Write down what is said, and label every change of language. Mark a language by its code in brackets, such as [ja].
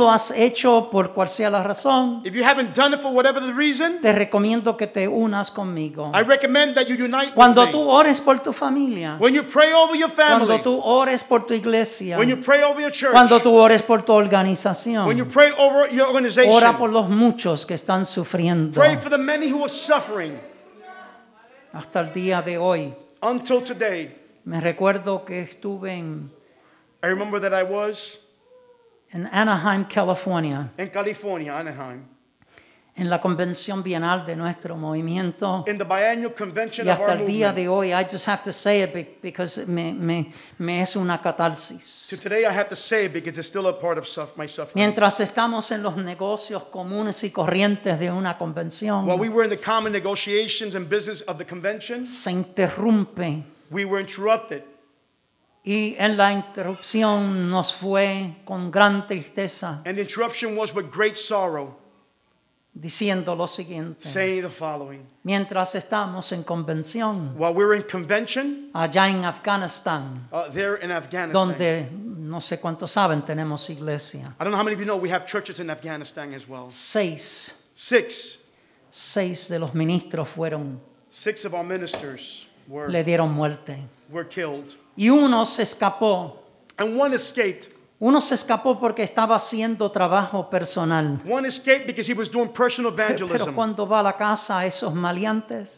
[es] lo has hecho por cual sea la razón, [en] if you haven't done it for whatever the reason, [es] te recomiendo que te unas conmigo. [en] I recommend that you unite [es] cuando [en] with [es] tú [en] me. [es] Ores por tu familia, [en] when you pray over your family, [es] cuando tú ores por tu iglesia, [en] when you pray over your church, [es] cuando tú ores por tu organización, [en] when you pray over your organization, [es] ora por los muchos que están sufriendo, [en] pray for the many who are suffering. [es] Hasta el día de hoy, [en] until today, [es] me recuerdo que estuve en [en] I remember that I was in Anaheim, California. In California, Anaheim. [es] En la convención bienal de nuestro movimiento. [en] In the biennial convention [es] y hasta [en] of our [es] el día [en] movement. [es] De hoy, [en] I just have to say it because [es] me es una catarsis. [en] So today I have to say it because it's still a part of my suffering. [es] Mientras estamos en los negocios comunes y corrientes de una convención, [en] while we were in the common negotiations and business of the convention, [es] se interrumpe. [en] We were interrupted. [es] Y en la interrupción nos fue con gran tristeza. [en] And the interruption was with great sorrow. [es] Diciendo lo siguiente. [en] Saying the following. [es] Mientras estamos en convención. [en] While we're in convention. [es] Allá en Afganistán. [en] There in Afghanistan. [es] Donde no sé cuántos saben tenemos iglesia. [en] I don't know how many of you know we have churches in Afghanistan as well. [es] Seis. [en] Six. [es] Seis de los ministros fueron. [en] Six of our ministers were. [es] Le dieron muerte. [en] Were killed. [es] Y uno se escapó. [en] And one escaped. [es] Uno se escapó porque estaba haciendo trabajo personal. [en] One escaped because he was doing personal evangelism. [es] Pero cuando va a la casa esos maleantes.